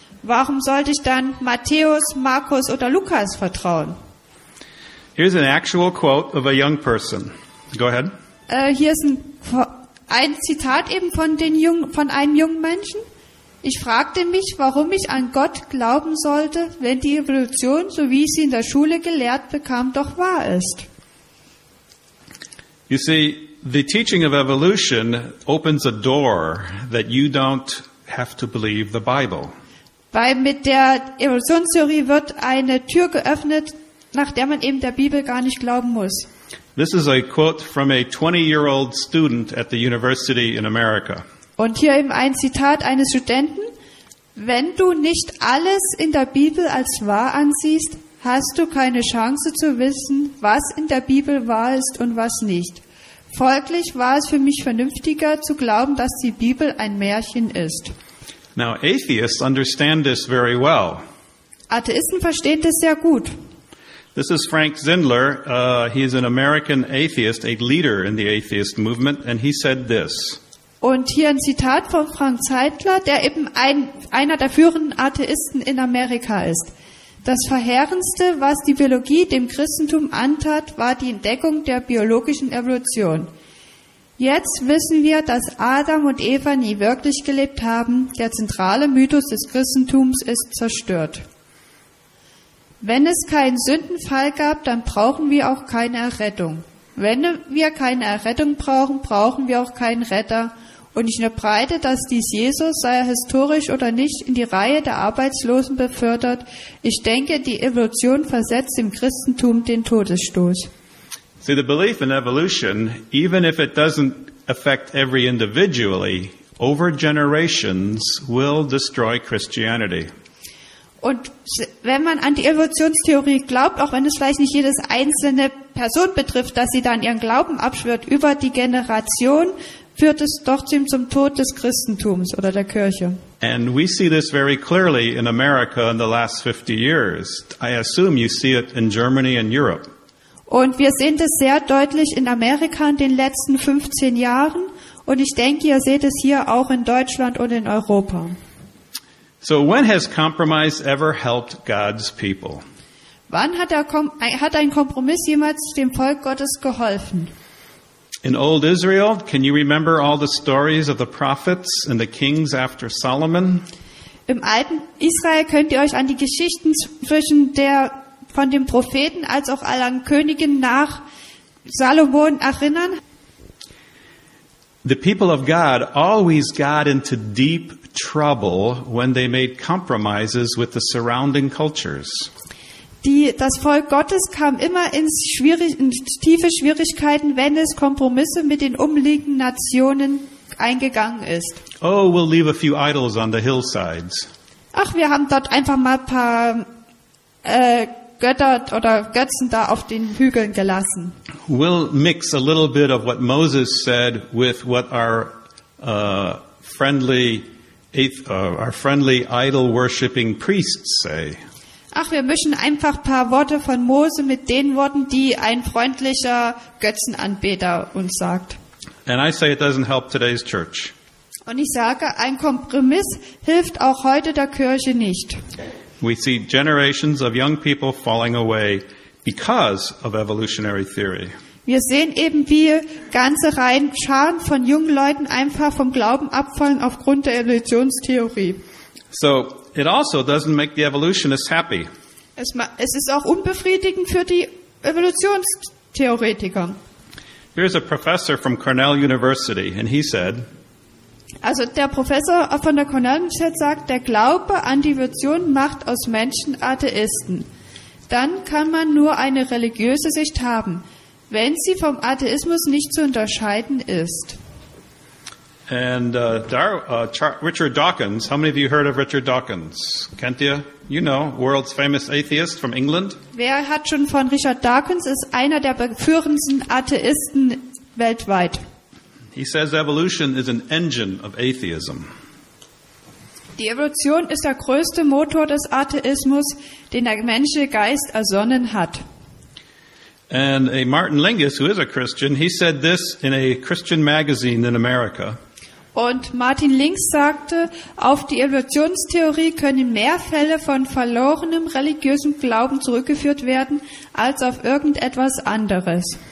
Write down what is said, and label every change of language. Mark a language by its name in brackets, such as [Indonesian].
[German] Warum sollte ich dann Matthäus, Markus oder Lukas vertrauen? [English] Here's an actual quote of a young person. Go ahead. [German] Hier ist ein Zitat eben von einem jungen Menschen. Ich fragte mich, warum ich an Gott glauben sollte, wenn die Evolution, so wie ich sie in der Schule gelehrt bekam, doch wahr ist. [English] You see, the teaching of evolution opens a door that you don't have to believe the Bible. [German] Weil mit der Evolutionstheorie wird eine Tür geöffnet, nach der man eben der Bibel gar nicht glauben muss. [English] This is a quote from a 20-year-old student at the university in America. [German] Und hier eben ein Zitat eines Studenten. Wenn du nicht alles in der Bibel als wahr ansiehst, hast du keine Chance zu wissen, was in der Bibel wahr ist und was nicht. Folglich war es für mich vernünftiger, zu glauben, dass die Bibel ein Märchen ist. [English] Now, atheists understand this very well. [German] Atheisten verstehen das sehr gut. [English] This is Frank Zindler. He is an American atheist, a leader in the atheist movement, and he said this. [German] Und hier ein Zitat von Frank Zeitler, der eben einer der führenden Atheisten in Amerika ist. Das Verheerendste, was die Biologie dem Christentum antat, war die Entdeckung der biologischen Evolution. Jetzt wissen wir, dass Adam und Eva nie wirklich gelebt haben. Der zentrale Mythos des Christentums ist zerstört. Wenn es keinen Sündenfall gab, dann brauchen wir auch keine Errettung. Wenn wir keine Errettung brauchen, brauchen wir auch keinen Retter. Und ich verbreite, dass dies Jesus, sei er historisch oder nicht, in die Reihe der Arbeitslosen befördert. Ich denke, die Evolution versetzt im Christentum den Todesstoß. [English] See, the belief in evolution, even if it doesn't affect every individually, over generations will destroy Christianity. [German] Und wenn man an die Evolutionstheorie glaubt, auch wenn es vielleicht nicht jedes einzelne Person betrifft, dass sie dann ihren Glauben abschwört, über die Generation führt es trotzdem zum Tod des Christentums oder der Kirche. [English] And we see this very clearly in America in the last 50 years. I assume you see it in Germany and Europe. [German] Und wir sehen das sehr deutlich in Amerika in den letzten 15 Jahren. Und ich denke, ihr seht es hier auch in Deutschland und in Europa. [English] So when has compromise ever helped God's people? [German] Wann hat ein Kompromiss jemals dem Volk Gottes geholfen? [English] In old Israel, can you remember all the stories of the prophets and the kings after Solomon? [German] Im alten Israel könnt ihr euch an die Geschichten zwischen von den Propheten als auch allen Königen nach Salomon erinnern? [English] The people of God always got into deep trouble when they made compromises with the surrounding cultures. [German] Das Volk Gottes kam immer in tiefe Schwierigkeiten, wenn es Kompromisse mit den umliegenden Nationen eingegangen ist. [English] Oh, we'll leave a few idols on the hillsides. [German] Ach, wir haben dort einfach mal ein paar Götter oder Götzen da auf den Hügeln gelassen. [English] We'll mix a little bit of what Moses said with what our friendly idol-worshipping priests say. [German] Ach, wir mischen einfach ein paar Worte von Mose mit den Worten, die ein freundlicher Götzenanbeter uns sagt. [English] And I say it doesn't help today's church. [German] Und ich sage, ein Kompromiss hilft auch heute der Kirche nicht. [English] We see generations of young people falling away because of evolutionary theory. [German] Wir sehen eben, wie ganze Reihen Scharen von jungen Leuten einfach vom Glauben abfallen aufgrund der Evolutionstheorie. [English] So, it also doesn't make the evolutionists happy. [German] Es ist auch unbefriedigend für die Evolutionstheoretiker. [English] Here's a professor from Cornell University, and he said. [German] Also der Professor von der Cornell Universität sagt, der Glaube an die Evolution macht aus Menschen Atheisten. Dann kann man nur eine religiöse Sicht haben, wenn sie vom Atheismus nicht zu unterscheiden ist. [English] And Richard Dawkins, how many of you heard of Richard Dawkins? [German] Kennt ihr? [English] You know, world's famous atheist from England. [German] Wer hat schon von Richard Dawkins? Ist einer der führendsten Atheisten weltweit. [English] He says evolution is an engine of atheism. [German] Die Evolution ist der größte Motor des Atheismus, den der menschliche Geist ersonnen hat. [English] And a Martin Lingus, who is a Christian, he said this in a Christian magazine in America. [German] Und Martin Links sagte, auf die Evolutionstheorie können mehr Fälle von verlorenem religiösen Glauben zurückgeführt werden als auf irgendetwas anderes.